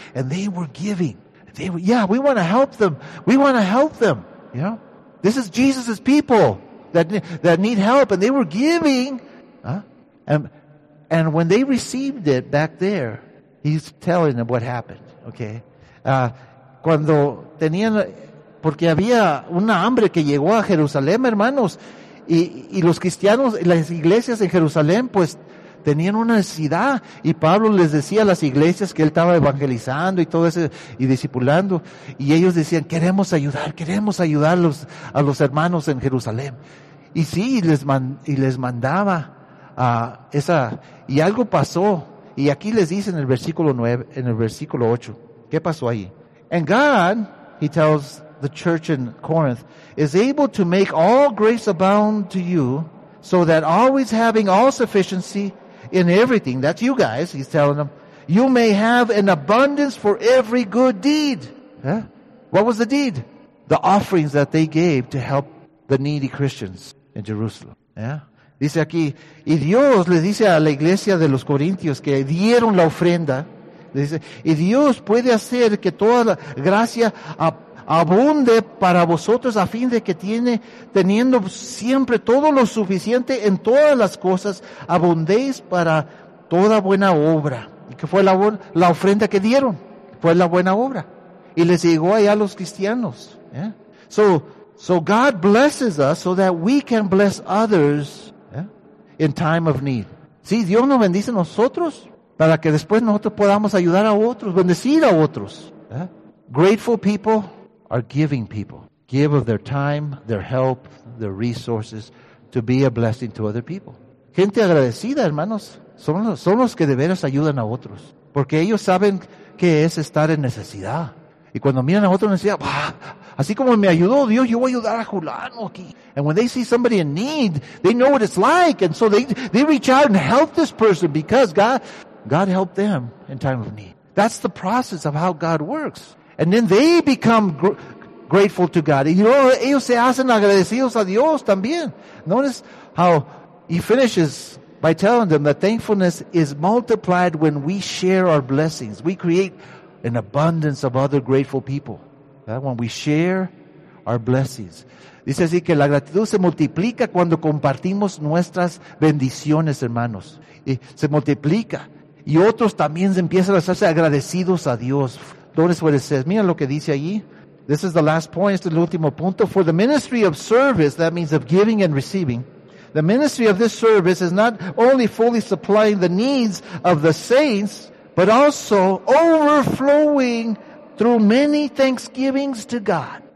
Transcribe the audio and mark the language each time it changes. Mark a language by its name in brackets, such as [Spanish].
[English] And they were giving. We want to help them. We want to help them. You know, this is Jesus' people that need help. And they were giving. Huh? And when they received it back there, he's telling them what happened. Okay. [Spanish] Cuando tenían, porque había una hambre que llegó a Jerusalén, hermanos, y los cristianos, las iglesias en Jerusalén, pues, tenían una necesidad, y Pablo les decía a las iglesias que él estaba evangelizando y todo eso, y discipulando, y ellos decían, queremos ayudar a los hermanos en Jerusalén. Y sí, les mandaba a esa, y algo pasó, y aquí les dice en el versículo 9, en el versículo 8, ¿qué pasó ahí? [English] And God, he tells the church in Corinth, is able to make all grace abound to you so that always having all sufficiency in everything, that's you guys, he's telling them, you may have an abundance for every good deed. Huh? What was the deed? The offerings that they gave to help the needy Christians in Jerusalem. Yeah? [Spanish] Dice aquí, y Dios le dice a la iglesia de los Corintios que dieron la ofrenda. Dice, y Dios puede hacer que toda la gracia abunde para vosotros a fin de que teniendo siempre todo lo suficiente en todas las cosas, abundéis para toda buena obra. Y que fue la ofrenda que dieron, fue la buena obra. Y les llegó allá a los cristianos. [English] Yeah. So God blesses us so that we can bless others, yeah, in time of need. [Spanish] Sí, Dios nos bendice a nosotros. Para que después nosotros podamos ayudar a otros, bendecir a otros. [English] ¿Eh? Grateful people are giving people. Give of their time, their help, their resources to be a blessing to other people. [Spanish] Gente agradecida, hermanos, son los que de veras ayudan a otros. Porque ellos saben qué es estar en necesidad. Y cuando miran a otro necesidad, ¡ah! Así como me ayudó Dios, yo voy a ayudar a Julano aquí. [English] And when they see somebody in need, they know what it's like. And so they reach out and help this person because God helped them in time of need. That's the process of how God works. And then they become grateful to God. You know, [Spanish] ellos se hacen agradecidos a Dios también. [English] Notice how he finishes by telling them that thankfulness is multiplied when we share our blessings. We create an abundance of other grateful people. Right? When we share our blessings. [Spanish] Dice así que la gratitud se multiplica cuando compartimos nuestras bendiciones, hermanos. Y se multiplica. Y otros también empiezan a hacerse agradecidos a Dios. [English] Notice what it says. [Spanish] Mira lo que dice allí. [English] This is the last point. [Spanish] Este es el último punto. [English] For the ministry of service, that means of giving and receiving, the ministry of this service is not only fully supplying the needs of the saints, but also overflowing through many thanksgivings to God.